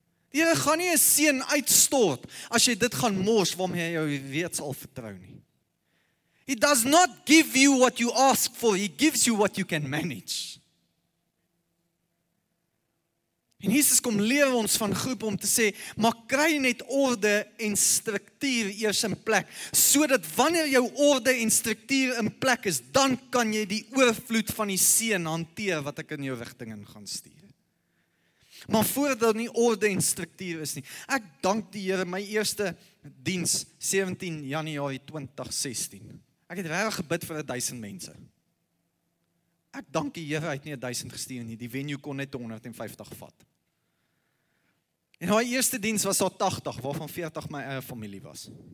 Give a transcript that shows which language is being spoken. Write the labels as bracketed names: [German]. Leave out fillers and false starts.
[Afrikaans] Die Here gaan nie 'n seën uitstort as jy dit gaan mors waarmee jy jou reeds al vertrou nie. [English] He does not give you what you ask for, he gives you what you can manage. [Afrikaans] En Jesus kom leer ons van groep om te sê, maar kry net orde en struktuur eers in plek, sodat wanneer jou orde en struktuur in plek is, dan kan jy die oorvloed van die seën hanteer wat ek in jou rigting in gaan stuur. Maar voordat nie orde en struktuur is nie, ek dank die Here my eerste diens 17 Januarie 2016. Ek het regtig gebid vir 1000 mense. Ek dank die Here, hy het nie 1000 gestuur nie, die venue kon net 150 vat. En haar eerste diens was al 80, waarvan 40 my eie familie was.